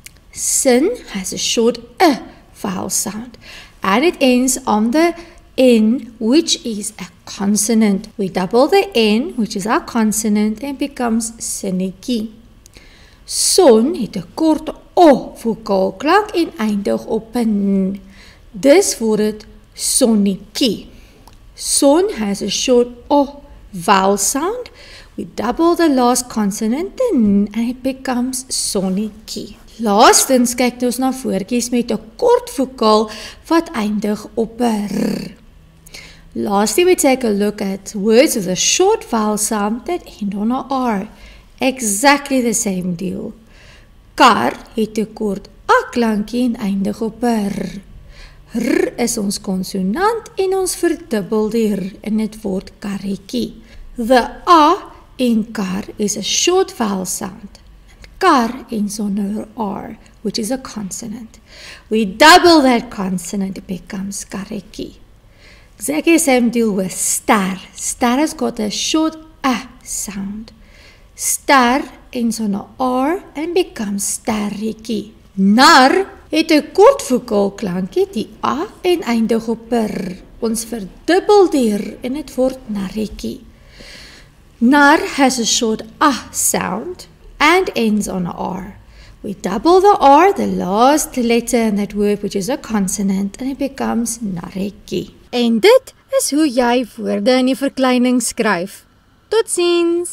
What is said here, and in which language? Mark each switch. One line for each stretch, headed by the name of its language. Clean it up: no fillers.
English: Sin has a short e vowel sound. And it ends on the N, which is a consonant. We double the N, which is our consonant, and becomes sinnetjie.
Afrikaans: Son het 'n kort O vokaal klank en eindig op 'n N. Dus word het sonnetjie.
English: Son has a short O vowel sound. We double the last consonant, the N, and it becomes sonnetjie.
Afrikaans: Laastens kyk ons na woordjies met 'n kort vokaal wat eindig op 'n r.
English: Lastly, we take a look at words with a short vowel sound that end on a r. Exactly the same deal.
Afrikaans: Kar het 'n kort a klankie en eindig op 'n r. R is ons konsonant en ons verdubbel die r in het woord karretjie.
English: The a in kar is a short vowel sound. Kar ends on her R, which is a consonant. We double that consonant, it becomes karretjie. Exactly the same deal with star. Star has got a short A sound. Star ends on a R and becomes starretjie.
Afrikaans: Nar het 'n kort vokaal klankie, die A, en eindig op R. Ons verdubbel die R en het word narretjie.
English: Nar has a short A sound and ends on a R. We double the R, the last letter in that word, which is a consonant, and it becomes narretjie.
Afrikaans: En dit is hoe jy woorde in die verkleining skryf. Tot ziens!